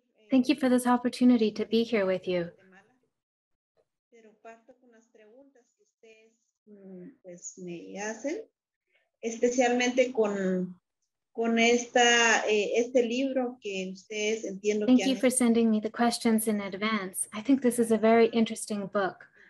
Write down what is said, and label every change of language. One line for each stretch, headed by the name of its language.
English: Thank you for this opportunity to be here with you.
Spanish: Pero parto con las preguntas que ustedes pues me hacen, especialmente con este libro que ustedes entiendo.
English: Thank you for sending me the questions in advance. I think this is a very interesting book.